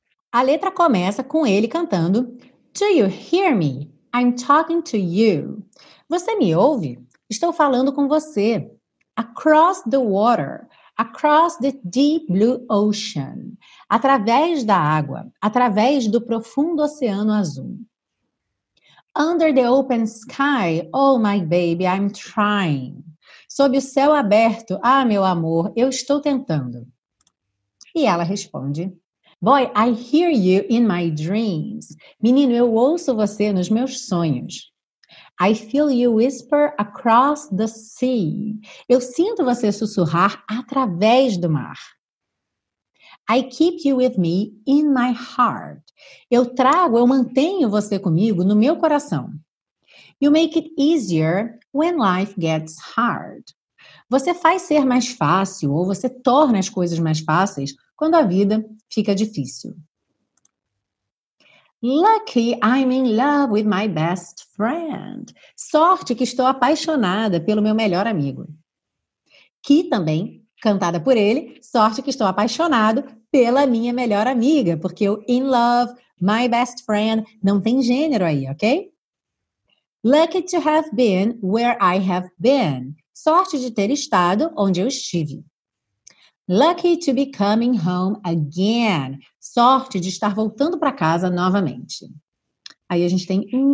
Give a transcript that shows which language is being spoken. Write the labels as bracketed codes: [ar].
[pt] A letra começa com ele cantando: [en] Do you hear me? I'm talking to you. [pt] Você me ouve? Estou falando com você. [en] Across the water, across the deep blue ocean. [pt] Através da água, através do profundo oceano azul. [en] Under the open sky, oh my baby, I'm trying. [pt] Sob o céu aberto, ah meu amor, eu estou tentando. E ela responde: [en] Boy, I hear you in my dreams. [pt] Menino, eu ouço você nos meus sonhos. [en] I feel you whisper across the sea. [pt] Eu sinto você sussurrar através do mar. [en] I keep you with me in my heart. [pt] Eu mantenho você comigo no meu coração. [en] You make it easier when life gets hard. [pt] Você faz ser mais fácil ou você torna as coisas mais fáceis quando a vida fica difícil. [en] Lucky, I'm in love with my best friend. [pt] Sorte que estou apaixonada pelo meu melhor amigo. Que também, cantada por ele, sorte que estou apaixonado pela minha melhor amiga, porque o [en] in love, my best friend, [pt] não tem gênero aí, ok? [en] Lucky to have been where I have been. [pt] Sorte de ter estado onde eu estive. [en] Lucky to be coming home again. [pt] Sorte de estar voltando para casa novamente. Aí a gente tem...